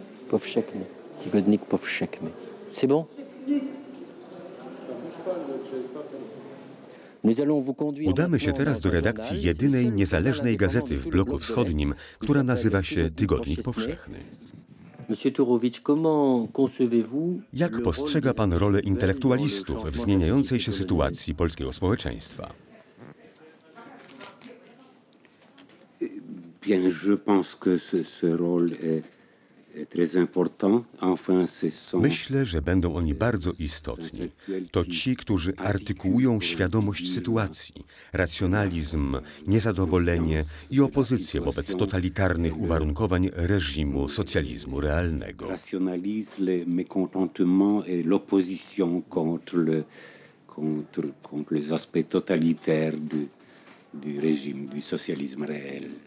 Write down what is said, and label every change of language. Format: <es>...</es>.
<pl>Powszechny. Tygodnik powszechny.</pl> <fr>C'est bon?</fr> <pl>Udamy się teraz do redakcji jedynej niezależnej gazety w bloku wschodnim, która nazywa się Tygodnik Powszechny.</pl> <fr>Monsieur Turowicz, comment concevez-vous?</fr> <pl>Jak postrzega pan rolę intelektualistów w zmieniającej się sytuacji polskiego społeczeństwa?</pl> <fr>Bien, je pense que ce rôle est très important. Enfin, ce sont...</fr> <pl>Myślę, że będą oni bardzo istotni. To ci, którzy artykułują świadomość sytuacji, racjonalizm, niezadowolenie i opozycję wobec totalitarnych uwarunkowań reżimu socjalizmu realnego.</pl> <fr>Racjonalizm, le mécontentement et l'opposition contre les aspects totalitaires du régime du socialisme réel.</fr>